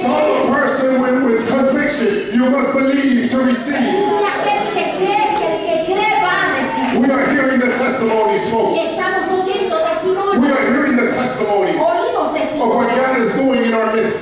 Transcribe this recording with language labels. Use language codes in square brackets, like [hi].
[en] Tell the person with conviction, you must believe to receive. [es] Dile a aquel que cree, que el que cree va a recibir. [en] We are hearing the testimonies, folks. [es] Estamos oyendo testimonios. [en] We are hearing the testimonies. [es] Oímos testimonios. [en] Of what God is doing in our midst.